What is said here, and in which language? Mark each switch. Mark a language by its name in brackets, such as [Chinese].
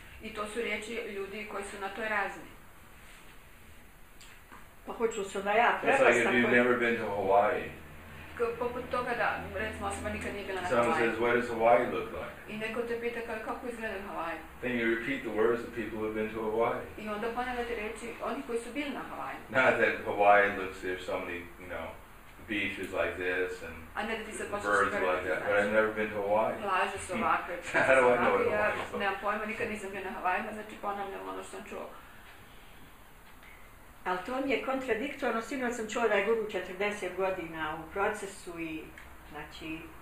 [Croatian] I to su riječi ljudi koji su na toj razini. Pa hoću se da ja prevesti. [English] It's like if you've never been to Hawaii. [Croatian] Poput toga da, recimo, osoba nikad nije bila na Hawaii. [English] Someone says, what does Hawaii look like? [Croatian] I neko te pita kako izgleda Hawaii. [English] Then you repeat the words of people who have been to Hawaii. [Croatian] I onda ponavljate reči oni koji su bili na Hawaii. [English] Not that Hawaii looks, there's so many, you know, beaches like this and birds like that, but I've never been to Hawaii. [Croatian] Plaže su ovakve. [English] How do I know Hawaii? [Croatian] Nemam pojma, nikad nisam bio na Hawaii, znači ponavljam ono što sam čuo. Ali to mi je kontradiktorno, sinoć sam čuo da je guru 40 godina u procesu i znači...